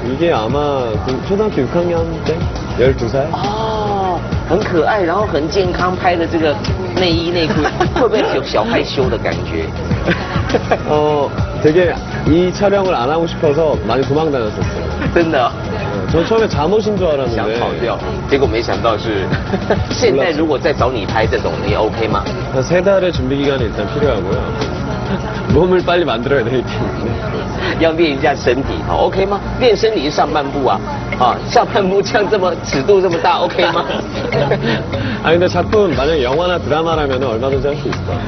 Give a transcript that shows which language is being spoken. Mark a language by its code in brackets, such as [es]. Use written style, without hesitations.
[ko] 이게아마그초등학교6학년때12살。哦， [zh] 很可爱，然后很健康，拍的这个内衣内裤，会不会有小害羞的感觉？哦。 [ko] 되게 이 촬영을 안 하고 싶어서 많이 도망다녔었어요. [zh] 真的? [ko] 저 처음에 잠옷인 줄 알았는데 [zh] 想跑掉结果没想到是现在如果再找你拍这种你 OK 吗? [ko] 세 달의 준비 기간이 일단 필요하고요. 몸을 빨리 만들어야 되기 때문에 [zh] 要练一下身体 OK 吗? 练身体上半部啊 上半部这样这么尺度这么大 OK 吗? [ko] 아니 근데 작품 만약에 영화나 드라마라면 얼마든지 할 수 있어.